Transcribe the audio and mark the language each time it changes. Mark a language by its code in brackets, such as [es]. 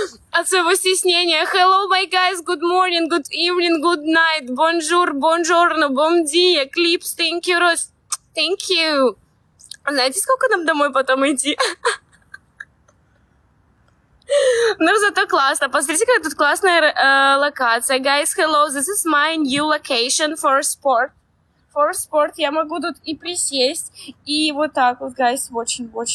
[ru] От своего стеснения. [en] Hello, my guys! Good morning, good evening, good night! Bonjour, buongiorno, bom dia! Clips, thank you, Rus! Thank you. [ru] Знаете, сколько нам домой потом идти? Ну, зато классно. Посмотрите, какая тут классная локация. [en] Guys, hello, this is my new location for sport. For sport. [ru] Я могу тут и присесть, и вот так вот, guys, очень.